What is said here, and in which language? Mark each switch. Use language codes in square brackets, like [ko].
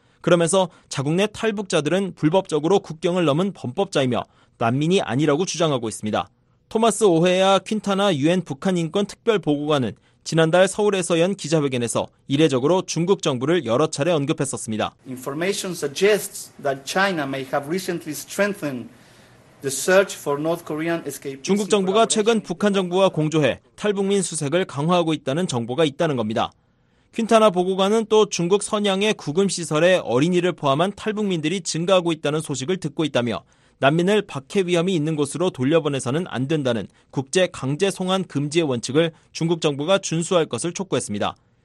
[ko] 그러면서 자국 내 탈북자들은 불법적으로 국경을 넘은 범법자이며 난민이 아니라고 주장하고 있습니다. 토마스 오헤아 퀸타나 유엔 북한인권특별보고관은 지난달 서울에서 연 기자회견에서 이례적으로 중국 정부를 여러 차례 언급했었습니다. [en] Information suggests that China may have recently strengthened the search for North Korean escapees. [ko] 중국 정부가 최근 북한 정부와 공조해 탈북민 수색을 강화하고 있다는 정보가 있다는 겁니다. 퀸타나 보고관은 또 중국 선양의 구금시설에 어린이를 포함한 탈북민들이 증가하고 있다는 소식을 듣고 있다며 난민을 박해 위험이 있는 곳으로 돌려보내서는 안 된다는 국제 강제 송환 금지의 원칙을 중국 정부가 준수할 것을 촉구했습니다.